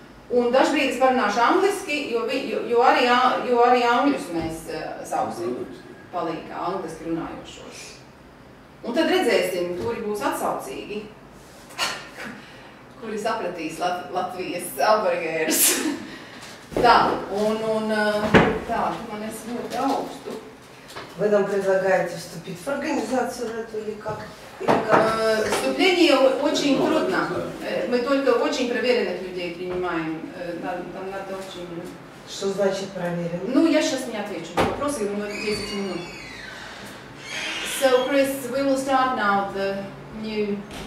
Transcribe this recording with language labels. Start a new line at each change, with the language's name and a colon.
Latvian: Un dažbrīd es parunāšu angliski, jo arī angļus mēs sauksim palīgā, angliski runājošos. Un tad redzēsim, kuri būs atsaucīgi, kuri sapratīs Latvijas albergērus. Tā, un tā, tu man esi ļoti augstu.
Russian: Вы нам предлагаете вступить в организацию эту или как? Вступление очень трудно. Мы только очень проверенных людей принимаем. Там надо очень... Что значит проверенных? Ну, я сейчас не отвечу на вопросы, у меня 10 минут.
English: So, Chris, we will start now the new...